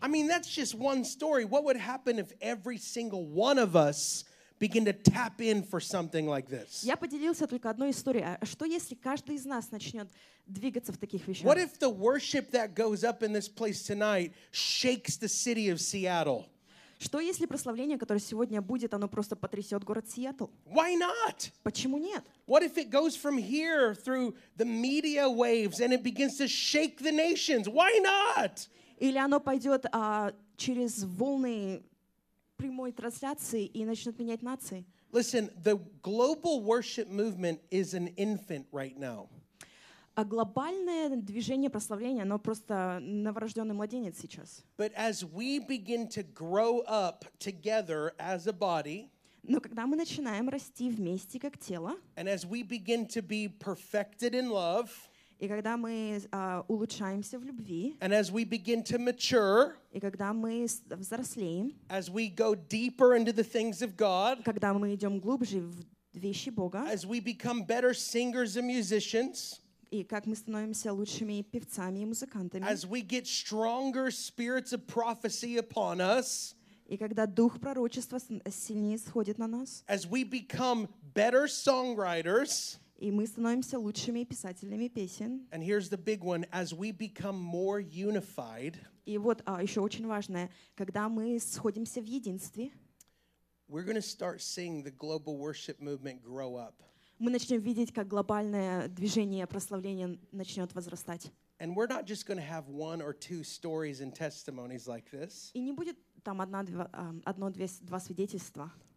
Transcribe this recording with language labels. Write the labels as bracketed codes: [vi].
[en] I mean, that's just one story. What would happen if every single one of us begin to tap in for something like this? [ru] Я поделился только одной историей. А что если каждый из нас начнет двигаться в таких вещах? [en] What if the worship that goes up in this place tonight shakes the city of Seattle? [ru] Что если прославление, которое сегодня будет, оно просто потрясет город Сиэтл? [en] Why not? [ru] Почему нет? [en] What if it goes from here through the media waves and it begins to shake the nations? Why not? [ru] Или оно пойдет через волны прямой трансляции и начнет менять нации? [en] Listen, the global worship movement is an infant right now. [ru] А глобальное движение прославления, оно просто новорожденный младенец сейчас. [en] But as we begin to grow up together as a body, [ru] но когда мы начинаем расти вместе как тело, [en] and as we begin to be perfected in love, [ru] и когда мы улучшаемся в любви, [en] and as we begin to mature, [ru] и когда мы взрослеем, [en] as we go deeper into the things of God, [ru] когда мы идем глубже в вещи Бога, [en] as we become better singers and musicians, [ru] и как мы становимся лучшими певцами и музыкантами, [en] as we get stronger spirits of prophecy upon us, [ru] и когда дух пророчества сильнее сходит на нас, [en] as we become better songwriters, [ru] и мы становимся лучшими писателями песен, [en] and here's the big one, as we become more unified, [ru] и вот еще очень важное, когда мы сходимся в единстве, [en] we're going to start seeing the global worship movement grow up. [ru] Мы начнем видеть, как глобальное движение прославления начнет возрастать. И не будет там одно-два свидетельства.